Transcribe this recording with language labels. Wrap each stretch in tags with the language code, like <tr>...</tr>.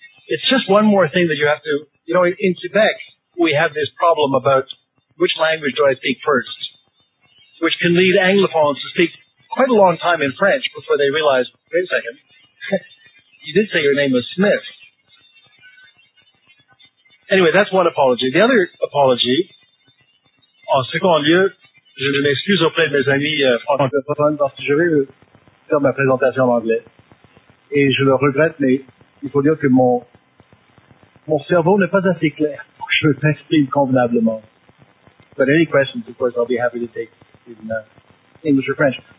<en>It's just one more thing that you have to... You know, in Quebec, we have this problem about which language do I speak first, which can lead Anglophones to speak quite a long time in French before they realize, wait a second, you did say your name was Smith. Anyway, that's one apology. The other apology,</en> <fr>en second lieu, je m'excuse auprès de mes amis francophones parce que je vais faire ma présentation en anglais. Et je le regrette, mais il faut dire que mon cerveau n'est pas assez clair pour que je m'exprime convenablement.</fr> <en>But any questions, of course, I'll be happy to take in English or French.</en>